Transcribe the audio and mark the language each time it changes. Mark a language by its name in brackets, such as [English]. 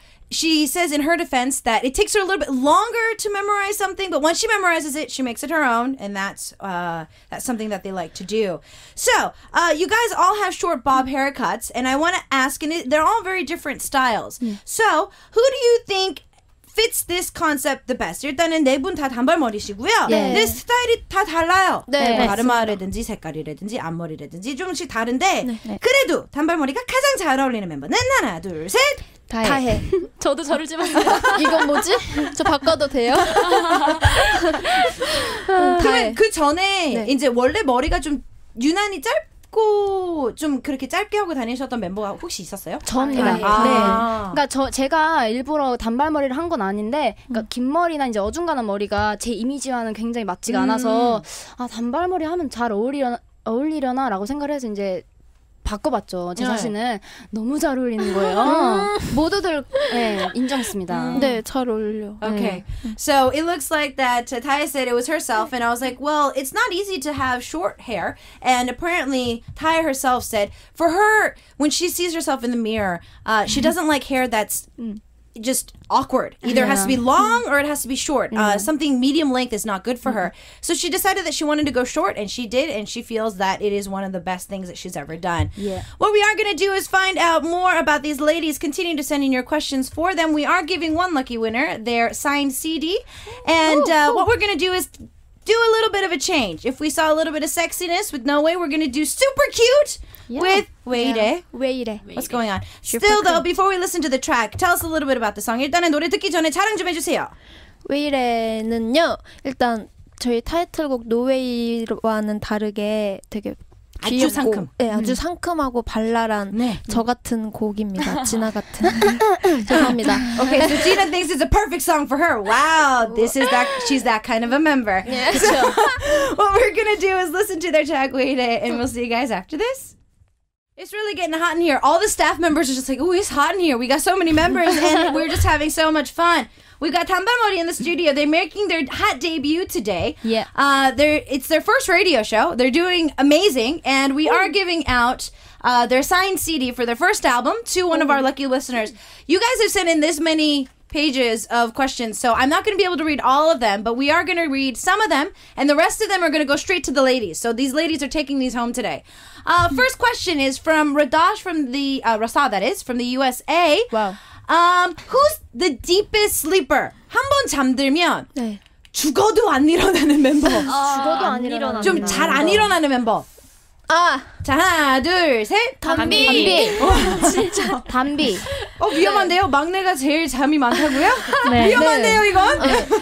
[English] she says in her defense that it takes her a little bit longer to memorize something, but once she memorizes it, she makes it her own, and that's something that they like to do. So, you guys all have short bob haircuts, and I want to ask, and they're all very different styles. So, who do you think fits this concept the best? [Korean] 일단은 네 분 다 단발머리시고요. 네. 네 스타일이 다 달라요. 네, 뭐 가르마라든지 색깔이라든지 앞머리라든지 조금씩 다른데 네. 그래도 단발머리가 가장 잘 어울리는 멤버는 하나, 둘, 셋. 다해. 저도 저를 집었는데 이건 뭐지? 저 바꿔도 돼요? 그러면 그 전에 네. 이제 원래 머리가 좀 유난히 짧 고 좀 그렇게 짧게 하고 다니셨던 멤버가 혹시 있었어요? 저는요. 아, 네. 아. 네. 그러니까 제가 일부러 단발머리를 한 건 아닌데 그러니까 긴 머리나 이제 어중간한 머리가 제 이미지와는 굉장히 맞지가 않아서 아, 단발머리 하면 잘 어울리려나 라고 생각을 해서 이제 바꿔봤죠. 제 자신은 네. 너무 잘 어울리는 거예요. 모두들 네, 인정했습니다. 네, 잘 어울려. [English] Okay. [Korean] 네. [English] So it looks like that Taya said it was herself, and I was like, well, it's not easy to have short hair. And apparently, Taya herself said, for her, when she sees herself in the mirror, she doesn't like hair that's just awkward. Either yeah. it has to be long or it has to be short. Something medium length is not good for her. So she decided that she wanted to go short, and she did, and she feels that it is one of the best things that she's ever done. Yeah. What we are going to do is find out more about these ladies. Continue to send in your questions for them. We are giving one lucky winner their signed CD. And what we're going to do is do a little bit of a change. If we saw a little bit of sexiness with No Way, we're going to do super cute. Yeah. With Weire. Weire. What's going on? Still though, before we listen to the track, tell us a little bit about the song. [Korean] 일단은 노래 듣기 전에 자랑 좀 해주세요. Weire는요, 일단 저희 타이틀곡 No Way와는 다르게 되게 귀엽고, 아주 상큼. 네, 아주 상큼하고 발랄한 네. 저 같은 곡입니다. 진아 같은. 죄송합니다. [English] Okay, so Gina thinks it's a perfect song for her. Wow, this is that, she's that kind of a member. Yeah. So what we're gonna do is listen to their track Weire, and we'll see you guys after this. It's really getting hot in here. All the staff members are just like, oh, it's hot in here. We got so many members and we're just having so much fun. We've got 단발머리 in the studio. They're making their hot debut today. Yeah. It's their first radio show. They're doing amazing. And we are giving out their signed CD for their first album to one of our lucky listeners. You guys have sent in this many pages of questions, so I'm not going to be able to read all of them, but we are going to read some of them, and the rest of them are going to go straight to the ladies. So these ladies are taking these home today. First question is from Radash from the Rasa, that is from the USA. Wow. Who's the deepest sleeper? [Korean] 한번 잠들면 네. 죽어도 안 일어나는 멤버. 죽어도 안 일어나. 좀 잘 안 일어나는 멤버. 아. 자, 하나, 둘, 셋. 담비. 담비. 진짜. 담비. 어, 위험한데요? 네. 막내가 제일 잠이 많다고요? 네. 위험한데요, 이건? 네.